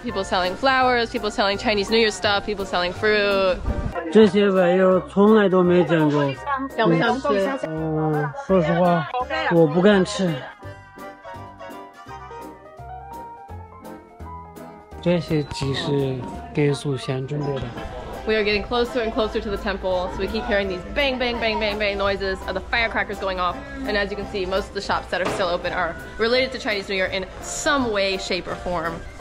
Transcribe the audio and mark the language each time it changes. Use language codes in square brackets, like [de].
[en] People selling flowers, people selling Chinese New Year stuff, people selling fruit. [zh] 这些玩意儿从来都没见过。想不想动一下？说实话，我不敢吃。这些鸡是给祖先准备的。We [en] are getting closer and closer to the temple, so we keep hearing these bang bang bang bang bang noises of the firecrackers going off. And as you can see, most of the shops that are still open are related to Chinese New Year in some way, shape, or form.